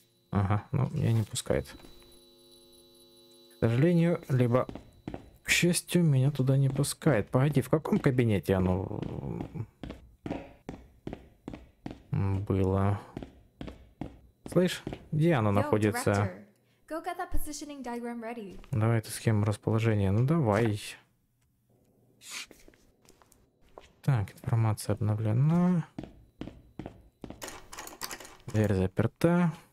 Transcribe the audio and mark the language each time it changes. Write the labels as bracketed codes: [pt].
[ru] Ага, ну, меня не пускает. К сожалению, либо к счастью, меня туда не пускает. Погоди, в каком кабинете оно было? Слышь, где оно находится? [en] Go get that positioning diagram ready. [ru] Давай эту схему расположения. Ну давай. Так, информация обновлена. Дверь заперта.